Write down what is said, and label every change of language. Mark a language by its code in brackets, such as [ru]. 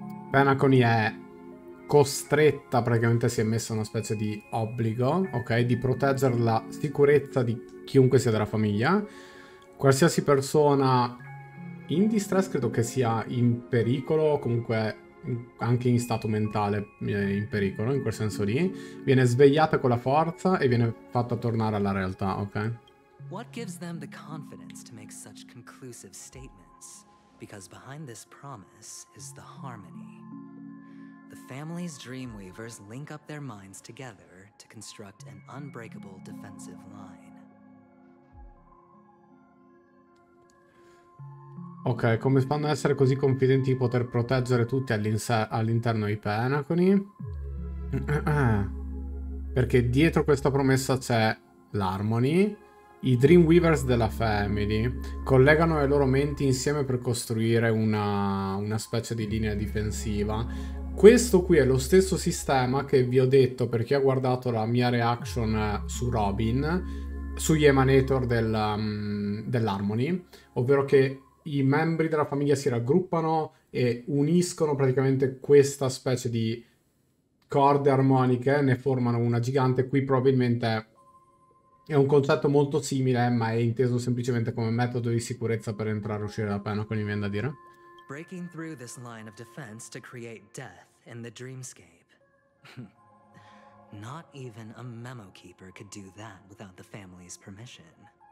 [it] Penacony è costretta, praticamente si è messa una specie di obbligo, ok, di proteggere la sicurezza di chiunque sia della famiglia. Qualsiasi persona [en] in distress [it] credo che sia in pericolo, comunque anche in stato mentale in pericolo, in quel senso lì, viene svegliata con la forza e viene fatta tornare alla realtà, ok? [en] What gives them the confidence to make such conclusive statements? Because behind this promise is the harmony. The family's Dreamweavers link up their minds together to construct an unbreakable defensive line. [it] Ok, come fanno ad essere così confidenti di poter proteggere tutti all'interno dei Pentagoni? Perché dietro questa promessa c'è l'Harmony. I Dreamweavers della Family collegano le loro menti insieme per costruire una specie di linea difensiva. Questo qui è lo stesso sistema che vi ho detto per chi ha guardato la mia reaction su Robin, sugli Emanator dell'Harmony, ovvero che i membri della famiglia si raggruppano e uniscono praticamente questa specie di corde armoniche, ne formano una gigante. Qui probabilmente è un concetto molto simile, ma è inteso semplicemente come metodo di sicurezza per entrare e uscire dalla pena, come mi viene da dire. [en] Breaking through this line of defense to create death in the dreamscape. Not even a memo keeper could do that without the family's permission.